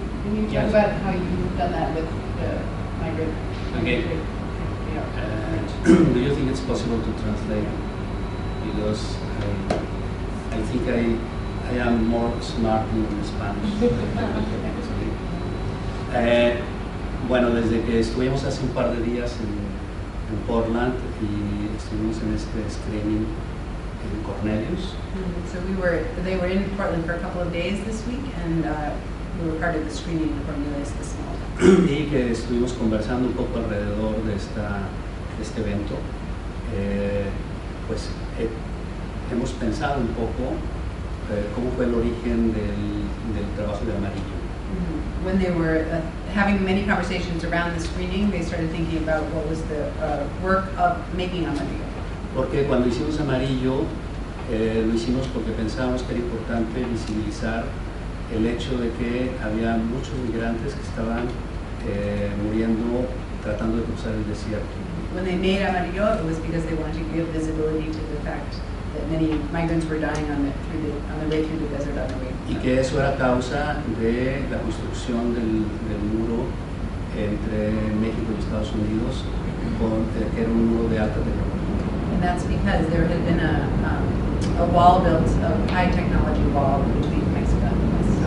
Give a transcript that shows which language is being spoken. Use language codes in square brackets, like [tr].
[en] Can you talk about how you've done that with the migrant? Okay. Do you think it's possible to translate? Because I think I am more smart in Spanish. [es] Bueno, desde que estuvimos hace un par de días en Portland y estuvimos en este screening in Cornelius. Mm-hmm. [en] So they were in Portland for a couple of days this week, and we were part of the screening in Cornelius this month. [es] Y que estuvimos conversando un poco alrededor de este evento, hemos pensado un poco cómo fue el origen del trabajo de Amarillo. Mm-hmm. [en] When they were having many conversations around the screening, they started thinking about what was the work of making Amarillo. [es] Porque cuando hicimos Amarillo, lo hicimos porque pensábamos que era importante visibilizar el hecho de que había muchos migrantes que estaban muriendo tratando de cruzar el desierto. [en] When they made Amarillo, it was because they wanted to give visibility to the fact that many migrants were dying on the way through the desert on the way. [es] Y que eso era causa de la construcción del muro entre México y Estados Unidos, que era un muro de alta tecnología. [en] And that's because there had been a wall built, a high technology wall between Mexico and the West.